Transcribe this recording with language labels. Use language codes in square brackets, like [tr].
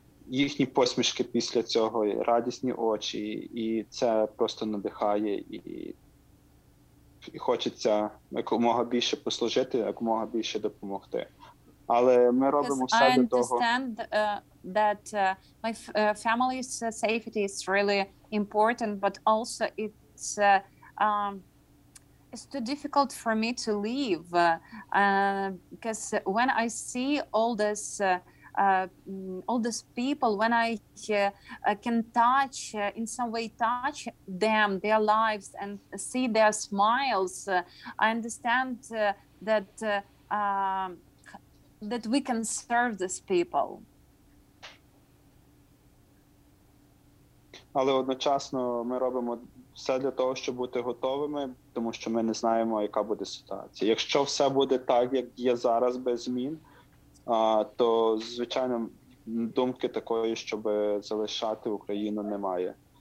[uk] їхні посмішки після цього, і радісні очі, і це просто надихає, і хочеться якомога більше послужити, якомога більше допомогти. Але ми робимо все для того. [en] That my family's safety is really important, but also it's too difficult for me to leave, because when I see all these people, when I can touch in some way touch them, their lives, and see their smiles, I understand that we can serve these people. [uk] Але одночасно ми робимо все для того, щоб бути готовими, тому що ми не знаємо, яка буде ситуація. Якщо все буде так, як є зараз, без змін, то, звичайно, думки такої, щоб залишати Україну, немає.